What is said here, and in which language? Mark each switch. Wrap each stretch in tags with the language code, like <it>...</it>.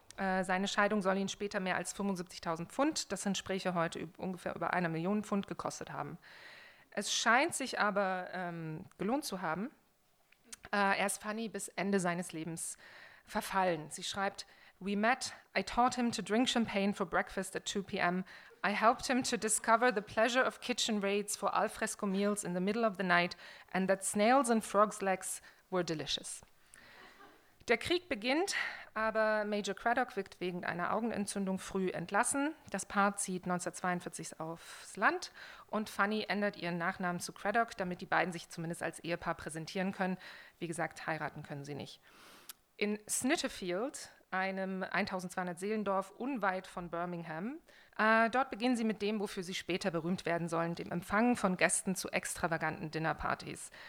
<de>Seine Scheidung soll ihn später mehr als 75.000 Pfund, das entspräche heute ungefähr über 1 Million Pfund, gekostet haben. Es scheint sich aber gelohnt zu haben. Er ist Fanny bis Ende seines Lebens verfallen. Sie schreibt,</de> <en>"We met, I taught him to drink champagne for breakfast at 2 p.m. I helped him to discover the pleasure of kitchen raids for al fresco meals in the middle of the night and that snails and frogs legs were delicious."</en> <de>Der Krieg beginnt, aber Major Craddock wird wegen einer Augenentzündung früh entlassen. Das Paar zieht 1942 aufs Land und Fanny ändert ihren Nachnamen zu Craddock, damit die beiden sich zumindest als Ehepaar präsentieren können. Wie gesagt, heiraten können sie nicht. In Snitterfield, einem 1200-Seelendorf unweit von Birmingham, dort beginnen sie mit dem, wofür sie später berühmt werden sollen, dem Empfangen von Gästen zu extravaganten Dinnerpartys.</de>